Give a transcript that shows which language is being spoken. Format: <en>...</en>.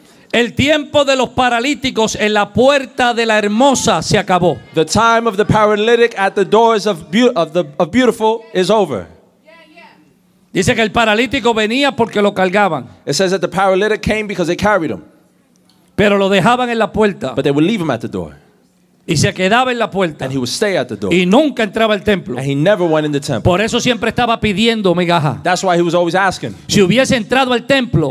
<es>El tiempo de los paralíticos en la puerta de la hermosa se acabó.</es> <en>The time of the paralytic at the doors of beautiful is over.</en> <es>Dice que el paralítico venía porque lo cargaban.</es> <en>It says that the paralytic came because they carried him.</en> <es>Pero lo dejaban en la puerta.</es> <en>But they would leave him at the door.</en> <es>Y se quedaba en la puerta.</es> <en>And he would stay at the door.</en> <es>Y nunca entraba al templo.</es> <en>And he never went in the temple.</en> <es>Por eso siempre estaba pidiendo migaja.</es> <en>That's why he was always asking.</en> <es>Si hubiese entrado al templo,</es>